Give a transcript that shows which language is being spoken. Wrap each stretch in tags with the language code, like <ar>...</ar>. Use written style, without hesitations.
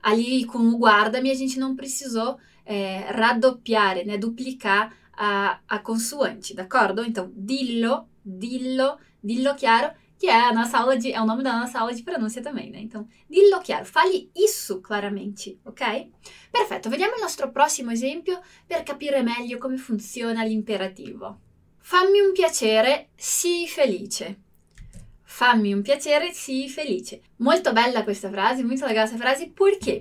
<pt>Ali com o guarda-me, a gente não precisou raddoppiare, né? Duplicar a consoante, d'accordo? Então, dillo, dillo. Dillo chiaro, que é a nossa aula de, é o nome da nossa aula de pronúncia também, né? Então, dillo chiaro, fale isso claramente, ok?</pt> <it>Perfeito, vediamo il nostro prossimo esempio per capire meglio come funziona l'imperativo. Fammi un piacere, sii felice. Fammi un piacere, sii felice. Molto bella questa frase,</it> <pt>muito legal essa frase, por quê?</pt>